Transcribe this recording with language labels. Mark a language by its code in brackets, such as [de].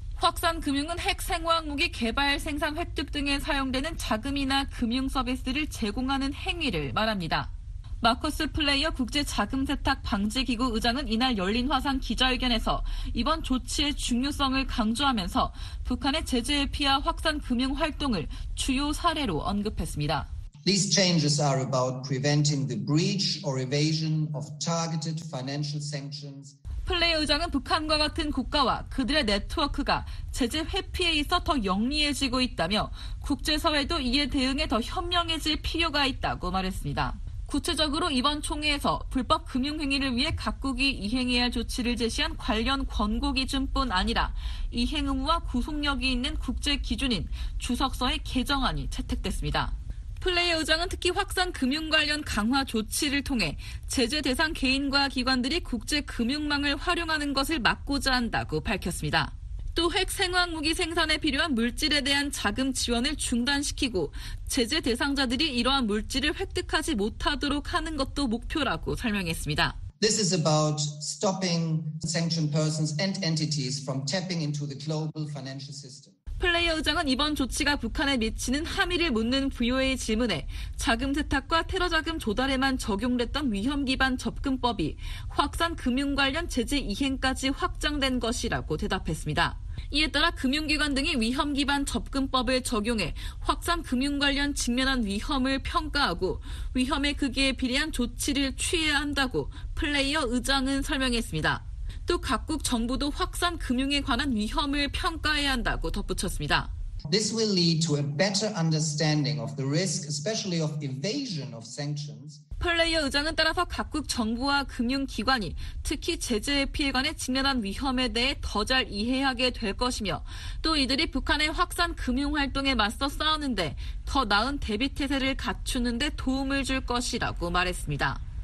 [ko] 확산 금융은 핵 생화학 무기 개발, 생산, 획득 등에 사용되는 자금이나 금융 서비스를 제공하는 행위를 말합니다. 마커스 플레이어 국제자금세탁방지기구 의장은 이날 열린 화상 기자회견에서 이번 조치의 중요성을 강조하면서 북한의 제재 회피와 확산 금융 활동을 주요 사례로 언급했습니다. [en] These changes are about preventing the breach or evasion of targeted financial sanctions. [ko] 플레이어 의장은 북한과 같은 국가와 그들의 네트워크가 제재 회피에 있어 더 영리해지고 있다며 국제사회도 이에 대응해 더 현명해질 필요가 있다고 말했습니다. 구체적으로 이번 총회에서 불법 금융행위를 위해 각국이 이행해야 할 조치를 제시한 관련 권고 기준뿐 아니라 이행 의무와 구속력이 있는 국제 기준인 주석서의 개정안이 채택됐습니다. 플레이어 의장은 특히 확산 금융 관련 강화 조치를 통해 제재 대상 개인과 기관들이 국제 금융망을 활용하는 것을 막고자 한다고 밝혔습니다. 또 핵 생화학 무기 생산에 필요한 물질에 대한 자금 지원을 중단시키고 제재 대상자들이 이러한 물질을 획득하지 못하도록 하는 것도 목표라고 설명했습니다. [en] This is about stopping sanctioned persons and entities from tapping into the global financial system. [ko] 플레이어 의장은 이번 조치가 북한에 미치는 함의를 묻는 VOA 질문에 자금 세탁과 테러 자금 조달에만 적용됐던 위험 기반 접근법이 확산 금융 관련 제재 이행까지 확장된 것이라고 대답했습니다. 이에 따라 금융기관 등이 위험 기반 접근법을 적용해 확산 금융 관련 직면한 위험을 평가하고 위험의 크기에 비례한 조치를 취해야 한다고 플레이어 의장은 설명했습니다. 또 각국 정부도 확산 금융에 관한 위험을 평가해야 한다고 덧붙였습니다. [en] This will lead to a better understanding of the risk, especially of evasion of sanctions. [ko] 플레이어 의장은 따라서 각국 정부와 금융기관이 특히 제재 회피에 관해 직면한 위험에 대해 더 잘 이해하게 될 것이며 또 이들이 북한의 확산 금융활동에 맞서 싸우는데 더 나은 대비태세를 갖추는 데 도움을 줄 것이라고 말했습니다.